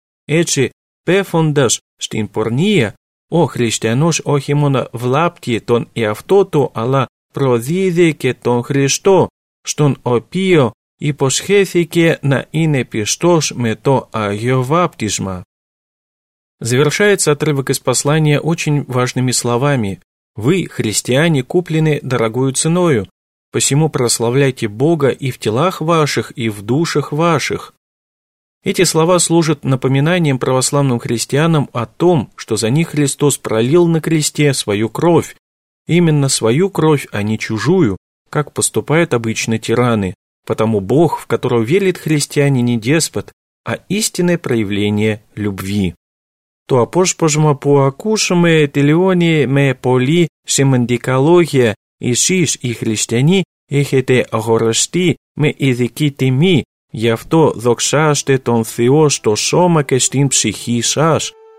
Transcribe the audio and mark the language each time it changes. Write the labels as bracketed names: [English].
[Greek] Έτσι, πέφοντας στην πορνεία, ο χριστιανός όχι μόνο βλάπτει τον εαυτό του, αλλά προδίδει και τον Χριστό, στον οποίο υποσχέθηκε να είναι πιστός με το Άγιο Βάπτισμα. [Russian] Завершается отрывок из послания очень важными словами. Вы, христиане, куплены дорогою ценою, посему прославляйте Бога и в телах ваших, и в душах ваших. Эти слова служат напоминанием православным христианам о том, что за них Христос пролил на кресте свою кровь. Именно свою кровь, а не чужую, как поступают обычно тираны. Потому Бог, в которого верит христиане, не деспот, а истинное проявление любви. [Greek] Το απόσπασμα που ακούσαμε τελειώνει με πολύ σημαντικά λόγια. Εσείς οι χριστιανοί έχετε αγοραστεί με ειδική τιμή, γι' αυτό δοξάστε τον Θεό στο σώμα και στην ψυχή σας.